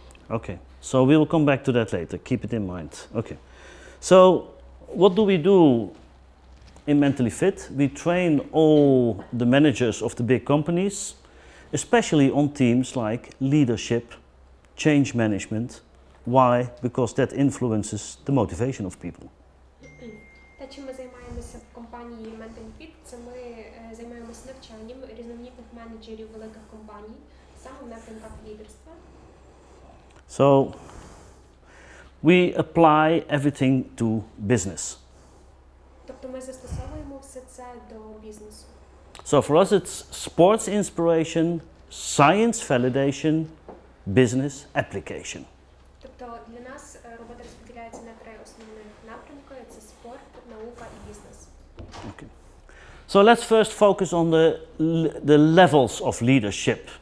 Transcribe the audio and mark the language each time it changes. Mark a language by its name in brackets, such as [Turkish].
[English] Okay, so we will come back to that later. Keep it in mind. Okay, so what do we do in Mentally Fit? We train all the managers of the big companies, especially on teams like leadership, change management. Why? Because that influences the motivation of people. [Ukrainian] Те, чим ми займаємося в компанії Mentally Fit, це ми займаємося навчанням різноманітних менеджерів великих компаній, саме в напрямках лідерства. [English] So, we apply everything to business. [Ukrainian] Тобто ми застосовуємо все це до бізнесу. [English] So for us it's sports inspiration, science validation, business application. [Ukrainian] Тобто для нас робота розподіляється на три основні напрямки: це спорт, наука і бізнес. [English] Okay. So let's first focus on the levels of leadership.